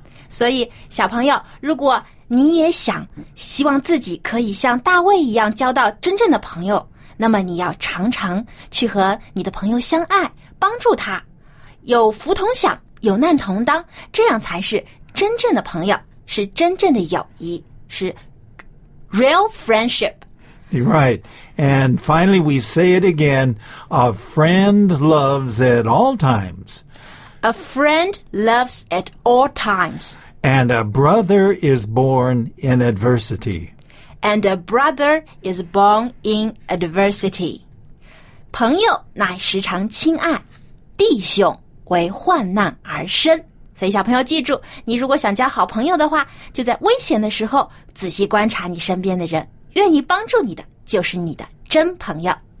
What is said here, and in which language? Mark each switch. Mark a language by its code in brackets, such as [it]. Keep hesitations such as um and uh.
[zh] 所以，小朋友，如果你也想希望自己可以像大卫一样交到真正的朋友。那么你要常常去和你的朋友相爱，帮助他，有福同享，有难同当，这样才是真正的朋友，是真正的友谊，是 real [en] right. And finally, we say it again a friend loves at all times. A friend loves at all times. And a brother is born in adversity. And a brother is born in adversity. [zh] 朋友乃时常亲爱，弟兄为患难而生。所以小朋友记住，你如果想交好朋友的话，就在危险的时候仔细观察你身边的人，愿意帮助你的就是你的真朋友。